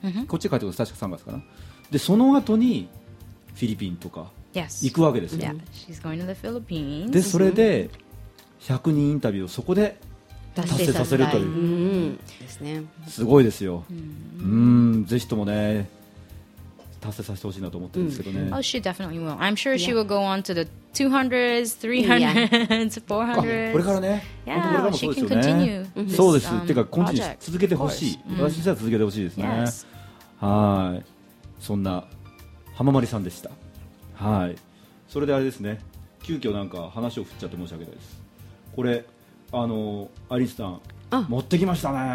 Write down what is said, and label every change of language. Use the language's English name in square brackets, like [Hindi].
[Japanese] こっちに帰ってくると確か3月かな、でその後にフィリピンとか行くわけですよ、 [English] yes. yeah. She's going to the Philippines. [Japanese] でそれで100人インタビューをそこで達成させるという、 mm-hmm. すごいですよ、mm-hmm. ぜひともね達成させてほしいなと思ってるんですけどね、 [English] mm-hmm. Oh, she definitely will. I'm sure she will go on to the 200s, 300s, 400s. [Japanese] これからね、 [English] yeah. 本当 [Japanese] これからもそうですよね、そうです、ってかコンティニュー続けてほしい、私自体は続けてほしいですね、 [English] yes. [Japanese] はい、そんな浜真理さんでした。はい、それであれですね、急遽なんか話を振っちゃって申し訳ないです。これアリスさん持ってきましたね。